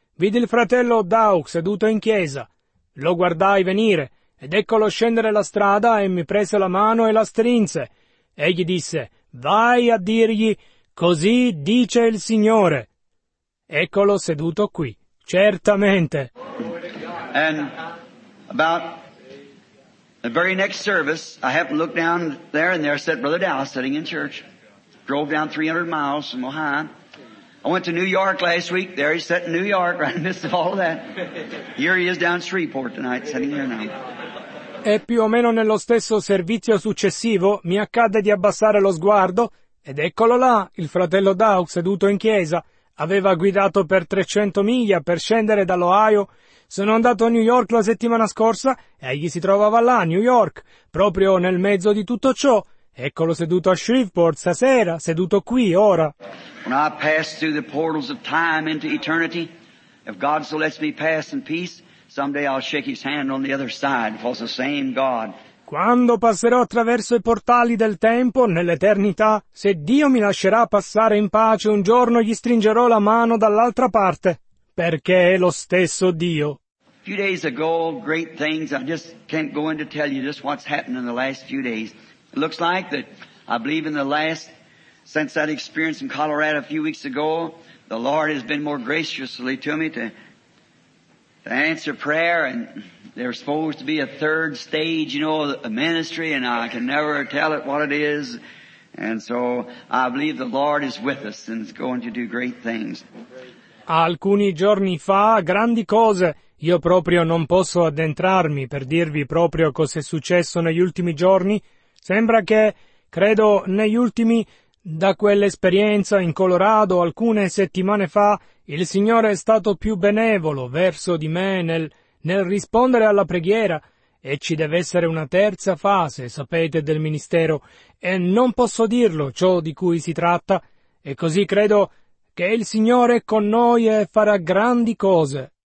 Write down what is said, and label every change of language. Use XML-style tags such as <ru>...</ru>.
<it>Vidi il fratello Daug seduto in chiesa. Lo guardai venire ed eccolo scendere la strada e mi prese la mano e la strinse. Egli disse, vai a dirgli, così dice il Signore. Eccolo seduto qui, certamente.</it> <en>And about the very next service, I happened to look down there and there sat Brother Dallas sitting in church. Drove down 300 miles from Ohio. I went to New York last week. There he sat in New York, right in the midst of all of that. Here he is down Shreveport tonight, sitting there now.</en> <it>E più o meno nello stesso servizio successivo mi accadde di abbassare lo sguardo ed eccolo là, il fratello Daug seduto in chiesa. Aveva guidato per 300 miglia per scendere dall'Ohio. Sono andato a New York la settimana scorsa e egli si trovava là, New York, proprio nel mezzo di tutto ciò. Eccolo seduto a Shreveport stasera, seduto qui, ora.</it> <en>When I pass through the portals of time into eternity, if God so lets me pass in peace, someday I'll shake his hand on the other side, for it's the same God.</en> <it>Quando passerò attraverso i portali del tempo, nell'eternità, se Dio mi lascerà passare in pace, un giorno gli stringerò la mano dall'altra parte, perché è lo stesso Dio.</it> <en>A few days ago, great things, I just can't go in to tell you just what's happened in the last few days. It looks like that, I believe in the last, since that experience in Colorado a few weeks ago, the Lord has been more graciously to me to answer prayer, and there's supposed to be a third stage, you know, a ministry, and I can never tell it what it is. And so I believe the Lord is with us and is going to do great things.</en> <it>Alcuni giorni fa, grandi cose. Io proprio non posso addentrarmi per dirvi proprio cosa è successo negli ultimi giorni. Sembra che, credo, negli ultimi, da quell'esperienza in Colorado alcune settimane fa, il Signore è stato più benevolo verso di me nel rispondere alla preghiera, e ci deve essere una terza fase, sapete, del ministero, e non posso dirlo ciò di cui si tratta, e così credo che il Signore è con noi e farà grandi cose.</it>